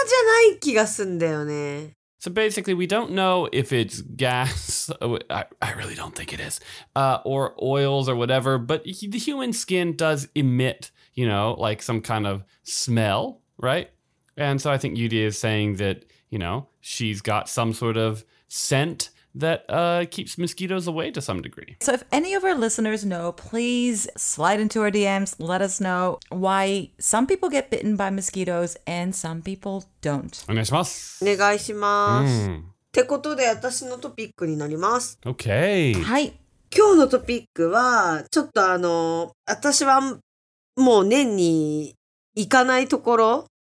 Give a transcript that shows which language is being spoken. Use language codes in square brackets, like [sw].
[ja] でも油じゃない気がすんだよね。 [en] So basically, we don't know if it's gas, I really don't think it is, or oils or whatever, but the human skin does emit, you know, like some kind of smell, right? And so I think Yudi is saying that, you know, she's got some sort of scent that keeps mosquitoes away to some degree. So if any of our listeners know, please slide into our DMs. Let us know why some people get bitten by mosquitoes and some people don't. [ja] お願いします。お願いします。ってことで私のトピックになります。 [en] Okay. [ja] はい。今日のトピックはちょっと私はもう年に行かないところ。